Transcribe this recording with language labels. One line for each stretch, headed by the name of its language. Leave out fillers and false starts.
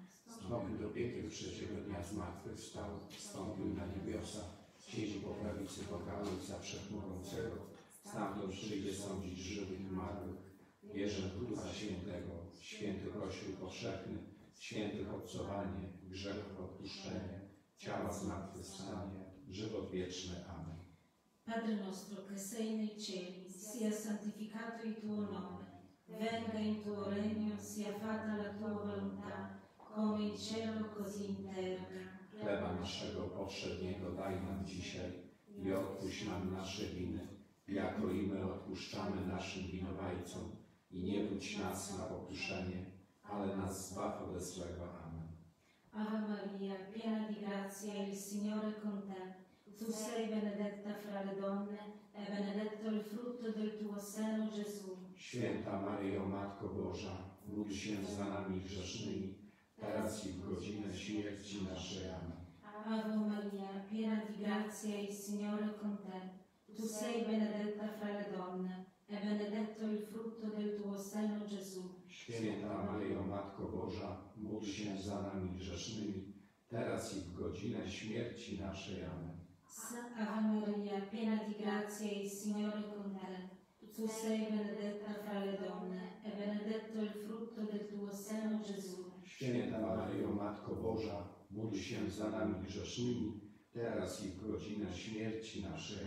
Polish: Wstąpił do piekieł trzeciego dnia zmartwychwstał, wstąpił na niebiosa, siedzi po prawicy Boga Ojca Wszechmogącego, stamtąd przyjdzie sądzić żywych i martwych. Wierzę w Ducha Świętego, święty Kościół powszechny, świętych obcowanie, grzechów odpuszczenie, ciała zmartwychwstanie, żywot wieczny. Amen.
Italian: Padre nostro, che sei nei cieli, sia santificato il tuo nome, venga in tuo regno, sia fatta la tua volontà, come in cielo, così in terra.
Polish: Chleba naszego powszedniego daj nam dzisiaj i odpuść nam nasze winy, jako i my odpuszczamy naszym winowajcom. I nie wódź nas na pokuszenie, ale nas zbaw ode złego. Amen.
Italian: Ave Maria, piena di grazia, il Signore con te. Tu sei benedetta fra le donne, e benedetto il frutto del tuo seno, Gesù.
Polish: Święta Maryjo, Matko Boża, módl się za nami grzesznymi, teraz i w godzinę śmierci naszej. Amen.
Italian: Ave Maria, piena di grazia, il Signore con te. Tu sei benedetta fra le donne, e benedetto il frutto del tuo seno, Gesù.
Polish: Święta Maryjo, Matko Boża, módl się za nami grzesznymi, teraz i w godzinę śmierci naszej. Amen.
Italian: Ave Maria, piena di grazia, il Signore con te. Tu sei benedetta fra le donne, e benedetto il frutto del tuo seno, Gesù.
Polish: Święta Maryjo, Matko Boża, módl się za nami grzesznymi, teraz i w godzinę śmierci naszej.